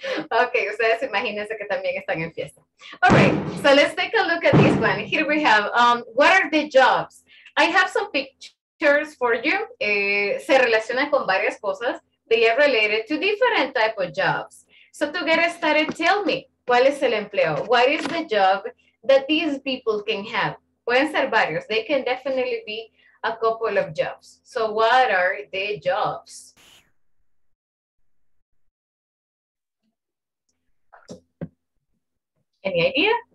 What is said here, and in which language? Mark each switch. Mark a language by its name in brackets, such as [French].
[Spanish] Okay, ustedes imagínense que también están en fiesta. [English] All right, so let's take a look at this one. Here we have, what are the jobs? I have some pictures for you. [Spanish] Se relacionan con varias cosas. [English] They are related to different type of jobs. So to get started, tell me, [Spanish] ¿cuál es el empleo? [English] What is the job that these people can have? [Spanish] Pueden ser varios. [English] They can definitely be a couple of jobs. So what are the jobs? Any idea?